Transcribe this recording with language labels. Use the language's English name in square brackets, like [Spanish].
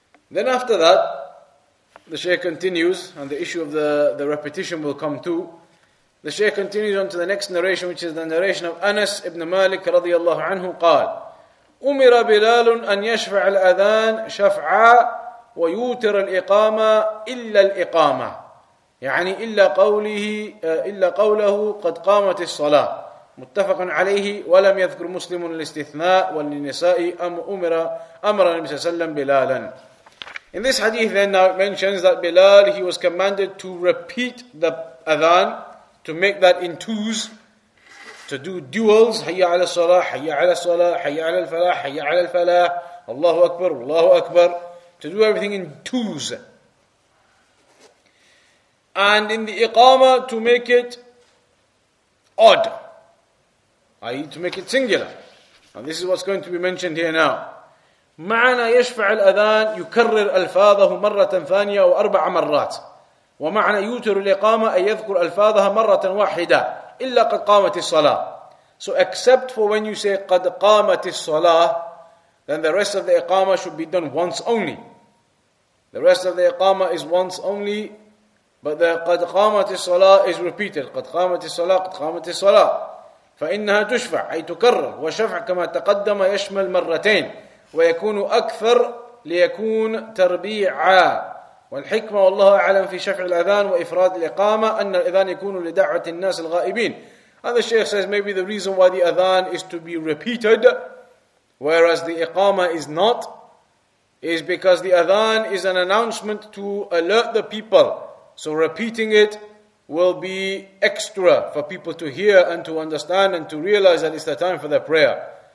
[English] Then after that, the Shaykh continues, and the issue of the repetition will come too. The Shaykh continues on to the next narration, which is the narration of Anas ibn Malik radiallahu anhu qal. [Arabic] أمر بلال أن يشفع الأذان شفعا ويوتر الإقامة إلا الإقامة يعني إلا قوله قد قامت الصلاة. متفق عليه ولم يذكر مسلم الاستثناء وللنساء أمر النبي صلى الله عليه وسلم بلالا. [English] In this hadith then now it mentions that Bilal, he was commanded to repeat the adhan, to make that in twos, to do duels, hayya ala salah, hayya ala salah, hayya ala falah, hayya ala falah, Allahu Akbar, Allahu Akbar, to do everything in twos. And in the iqama, to make it odd. i.e. to make it singular. And this is what's going to be mentioned here now. [Arabic] معنى يشفع الأذان يكرر ألفاظه مرة ثانية أو أربع مرات ومعنى يوتر الإقامة أن يذكر ألفاظها مرة واحدة إلا قد قامت الصلاة. [English] So except for when you say [Arabic] قد قامت الصلاة, [English] then the rest of the Iqama should be done once only. The rest of the Iqama is once only, but the [Arabic] قد قامت الصلاة [English] is repeated. [Arabic] قد قامت الصلاة, قد قامت الصلاة. فإنها تشفع أي تكرر, وشفع كما تقدم يشمل مرتين ويكون أكثر ليكون تربيعا. والحكمة والله أعلم في شفع الأذان وإفراد الإقامة أن الأذان يكون لدعوة الناس الغائبين. [English] And the Shaykh says maybe the reason why the Adhan is to be repeated whereas the Iqama is not is because the Adhan is an announcement to alert the people. So repeating it will be extra for people to hear and to understand and to realize that it's the time for their prayer.